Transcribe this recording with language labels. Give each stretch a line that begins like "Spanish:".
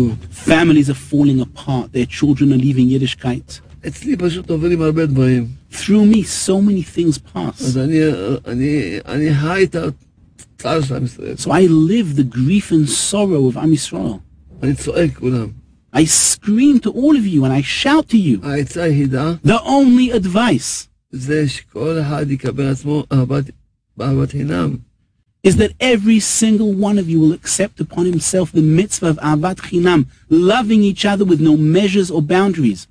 English: Families are falling apart, their children are leaving Yiddishkeit.
Hebrew: אצלי פשוט עוברים הרבה דברים.
English: Through me, so many things pass.
Hebrew: אז אני הייתה צער של עם ישראל.
English: So I live the grief and sorrow of Am Yisrael. I scream to all of you and I shout to you. The only advice is that every single one of you will accept upon himself the mitzvah of Ahavat Chinam, loving each other with no measures or boundaries.